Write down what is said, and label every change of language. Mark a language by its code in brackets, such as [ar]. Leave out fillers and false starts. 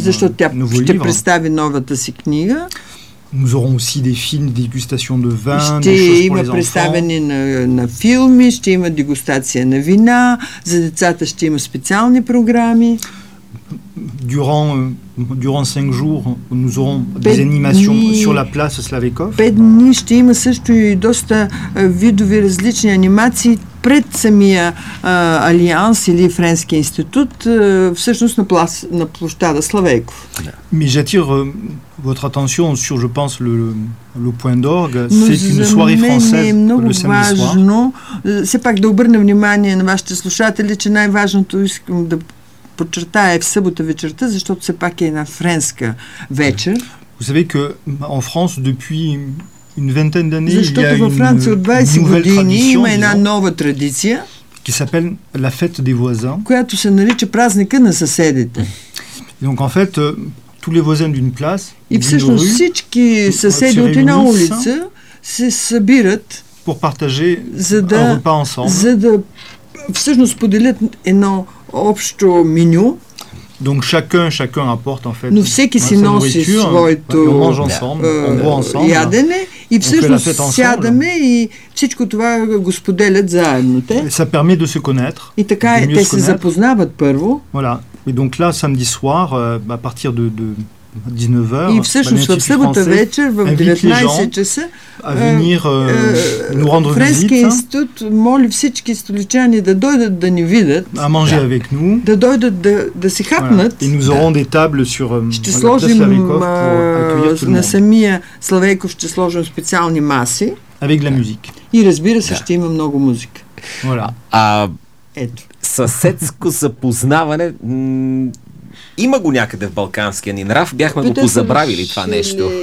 [bg] Защото тя ще представи новата си книга. [fr] Nous aurons aussi des films, des dégustations de vin, des choses pour les enfants. [bg] Ще има представени на филми, ще има дегустация на вина, за децата ще има специални програми. [fr] Durant 5 jours, nous aurons des animations sur la place Slavikov. [bg] 5 дни ще има също и доста видове различни анимации пред самия Алианс или Френския институт, всъщност на площада Славейков. [fr] Mais j'attire votre attention sur, je pense, le point d'orgue. C'est une soirée française le samedi soir. [bg] Важно, все пак да обърна внимание на вашите слушатели, че най-важното искам да подчертая в събота вечерта, защото все пак е една френска вечер. [fr] Vous savez que en France depuis une vingtaine d'années, [bg] защото във Франция от 20 години има една нова традиция, [fr] qui s'appelle la fête des voisins, [bg] която се нарича празника на съседите. [fr] Et donc en fait tous les voisins d'une place, [bg] и всъщност всички съседи от една улица се събират [fr] pour partager un repas ensemble, [bg] за да всъщност поделят едно общо меню. [fr] Donc chacun apporte en fait. [bg] Но всеки си носи своето ядене и всъщност сядаме и всичко това го споделят заедно те. [fr] Ça permet de se connaître. [bg] И така те се запознават първо. [fr] Voilà. Et donc là samedi soir à partir de 19h. [bg] И всъщност в събота вечер в 19 часа [fr] à venir nous rendre visite. [bg] Френския институт моли всички столичани да дойдат да ни видят. [fr] À manger avec nous. [bg] Да дойдат да си хапнат. [fr] Et nous aurons des tables sur [bg] ще сложим на самия Славейков ще сложим специални маси. [fr] Avec la musique. [bg] И разбира се, ще има много музика. [fr] Voilà. [bg] Съседско запознаване има го някъде в балканския ни нрав, бяхме го позабравили това нещо.